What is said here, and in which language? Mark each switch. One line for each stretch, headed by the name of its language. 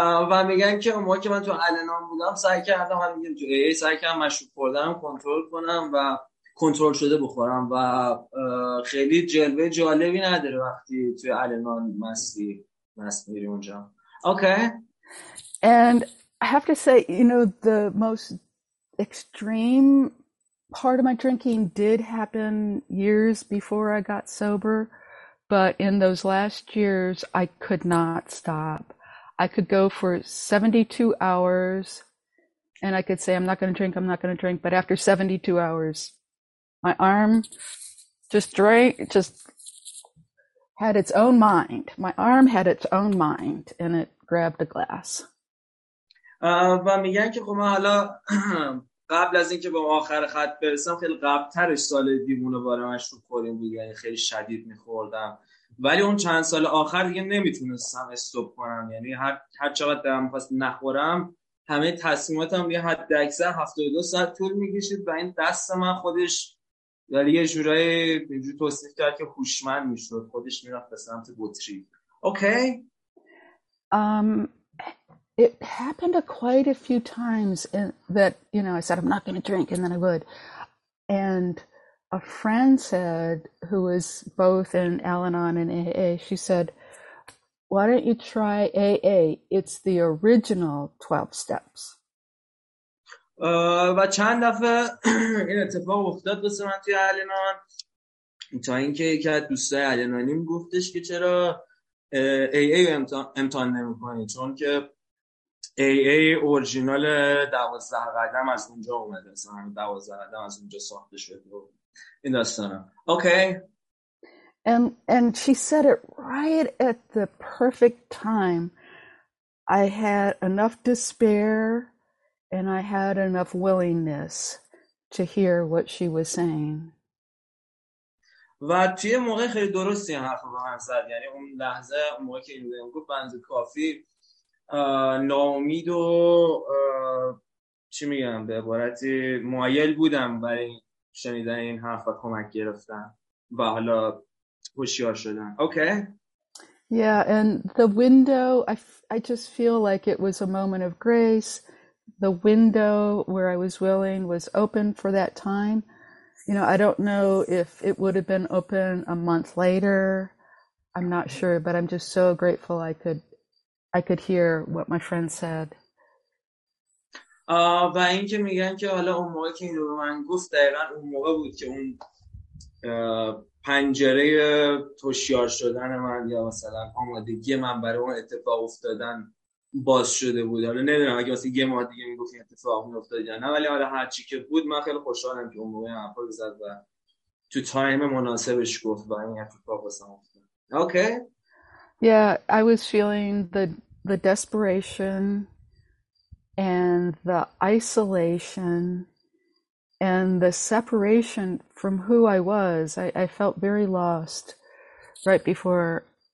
Persian: و میگن که اون موقع که من تو Al-Anon بودم سعی کردم، من میگم تو AA سعی کردم مشروب خوردم کنترل کنم و کنترل شده بخورم و خیلی جلوه جالبی نداره وقتی توی Al-Anon مستی میری اونجا.
English: Okay. And I have to say, you know, the most extreme part of my drinking did happen years before I got sober, but in those last years, I could not stop. I could go for 72 hours, and I could say, I'm not going to drink, I'm not going to drink, but after 72 hours, my arm just drank, just had its own mind. My arm had its own mind, and it grabbed a glass.
Persian: و میگن که خب من حالا قبل از اینکه به آخر خط برسم خیلی قبلترش سال دیوونه باره مشروب خوریم بود، یعنی خیلی شدید میخوردم، ولی اون چند سال آخر دیگه نمیتونستم استوب کنم، یعنی هر چقدر دارم پس نخورم همه تصمیماتم یه حد اکثر 72 ساعت طول میکشید و این دست من خودش یعنی یه جورایی اینجور توصیف کرد که هوشمند میشد، خودش میرفت به سمت بطری.
English: Okay. It happened quite a few times that, you know, I said, I'm not going to drink, and then I would. And a friend said, who was both in Al-Anon and AA, she said, why don't you try AA? It's the original 12 steps.
Persian: و چند دفعه این اتفاق افتاد بس من توی Al-Anon تا اینکه یکی از دوستای Al-Anonیم گفتش که چرا AA رو امتحان نمی کنی، چون که AA اورجینال 12 قدم از اونجا اومده، مثلا 12 قدم از اونجا ساخته شده و این داستانا.
English: Okay. And she said it right at the perfect time. I had enough despair and I had enough willingness to hear what she was saying.
Persian: و توی موقع خیلی درستی حرف رو به من زد، یعنی اون لحظه اون موقع که این گفت بنزه کافی ناامید و چی میگم به عبارتی مایل بودم برای شنیدن این حرف و کمک گرفتن و حالا هوشیار شدم.
English: Okay. Yeah, and the window, I just feel like it was a moment of grace. The window where I was willing was open for that time. You know, I don't know if it would have been open a month later. I'm not sure, but I'm just so grateful I could hear what my friend said.
Persian: و این که میگن که حالا اون موقع که این رو من گفت دقیقا اون موقع بود که اون پنجره توشیار شدن من یا مثلا آمادگی من برای اون اتفاق افتادن باز شده بود. حالا نمیدونم اگه واسه یه ماه دیگه میگفت این اتفاق افتاد یا نه، ولی حالا هرچی که بود من خیلی خوشحالم که اون موقع این حرف رو زد و تو تایم مناسبش گفت و این اتفاق واسه من افتاد.
English: Okay. Yeah, I was feeling the desperation and the isolation and the separation from who I was. I felt very lost right before